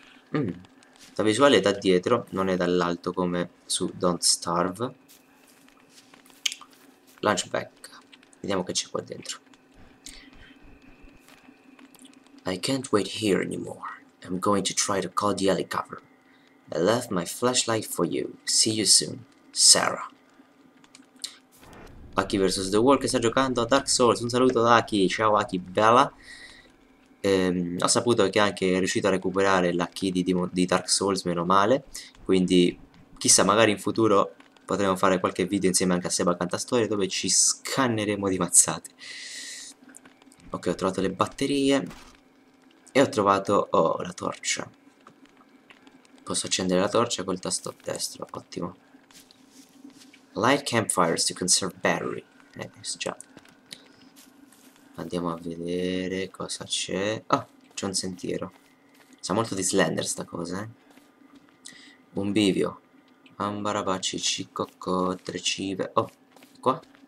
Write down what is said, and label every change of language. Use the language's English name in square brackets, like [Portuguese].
[Italian] La visuale è da dietro, non è dall'alto come su Don't Starve. [English] Lunch bag. [Italian] Vediamo che c'è qua dentro. [English] I can't wait here anymore. I'm going to try to call the helicopter. I left my flashlight for you. See you soon, Sarah. [Italian] Aki vs. The World, che sta giocando a Dark Souls. Un saluto da Aki. Ciao Aki, bella. Ho saputo che anche è riuscito a recuperare la key di Dark Souls, meno male. Quindi, chissà, magari in futuro potremo fare qualche video insieme anche a Seba Cantastorie, dove ci scanneremo di mazzate. Ok, ho trovato le batterie. E ho trovato, oh, la torcia. Posso accendere la torcia col tasto destro, ottimo. [English] Light campfires to conserve battery. [Italian] Già. Andiamo a vedere cosa c'è. Oh, c'è un sentiero. Sa molto di Slender sta cosa, eh. Un bivio. Ambarabaci, cicocco, tre cive. Oh, qua.